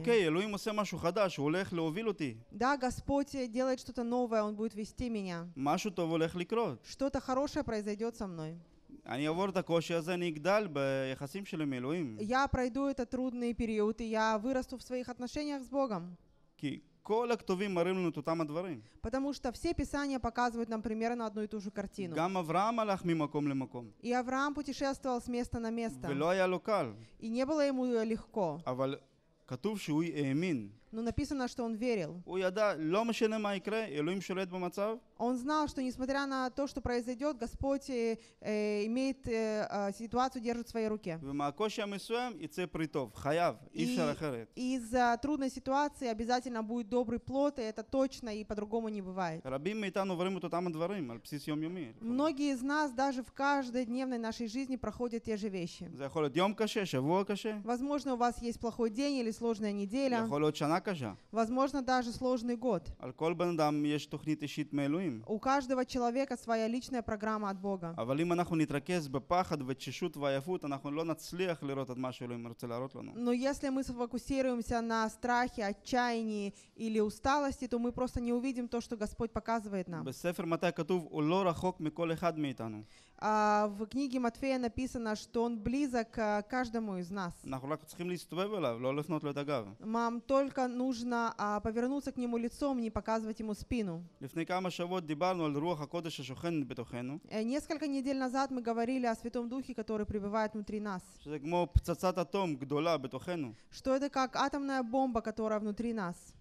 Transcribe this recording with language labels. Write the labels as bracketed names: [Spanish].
[Hebrew] Окей, אלוהים עושה משהו חדש, הוא הולך להוביל אותי. [Russian] Да, Господь делает что-то новое, Он будет вести меня. [Hebrew] משהו טוב הולך לקרות. [Russian] Что-то хорошее произойдет со мной. [Hebrew] אני אעבור את הקושי הזה, אני אגדל ביחסים שלי עם אלוהים. [Russian] Я пройду этот трудный период, и я вырасту в своих отношениях с Богом. [Hebrew] כי כל הכתובים מראים לנו את אותם הדברים. [Russian] Потому что все писания показывают нам примерно одну и ту же картину. [Hebrew] גם אברהם הלך ממקום למקום. [Russian] И Авраам путешествовал с места на место. [Hebrew] ולא היה לו קל. [Russian] И не было ему легко. [Hebrew] אבל כתוב שהוא האמין. [Russian] Но написано, что он верил. [Hebrew] הוא ידע, לא משנה מה יקרה, אלוהים שולט במצב. [Russian] Он знал, что несмотря на то, что произойдет, Господь имеет ситуацию, держит в своей руке. [Hebrew] ומהקושי המסוים יצא פרי טוב, חייב, אי אפשר אחרת. [Russian] Из трудной ситуации обязательно будет добрый плод, и это точно, и по-другому не бывает. [Hebrew] רבים מאיתנו עוברים את אותם הדברים, על בסיס יומיומי. [Russian] Многие из нас даже в каждодневной нашей жизни проходят те же вещи. [Hebrew] זה יכול להיות יום קשה, שבוע קשה. [Russian] Возможно, у вас есть плохой день или сложная неделя. [Hebrew] יכול להיות שנה קשה. [Russian] Возможно, даже сложный год. [Hebrew] על כל בן אדם יש תוכנית אישית מאלוהים. [Russian] У каждого человека своя личная программа от Бога. Но если мы сфокусируемся на страхе, отчаянии или усталости, то мы просто не увидим то, что Господь показывает нам. [Hebrew] בספר מתי כתוב, הוא לא רחוק מכל אחד מאיתנו. [Russian] В книге Матфея написано, что он близок к каждому из нас. [Hebrew] אנחנו רק צריכים להסתובב אליו, לא לפנות לו את הגב. [Russian] Нам только нужно повернуться к нему лицом, не показывать ему спину. Несколько недель назад мы говорили о Святом Духе, который пребывает внутри нас. Что это как атомная бомба, которая внутри нас.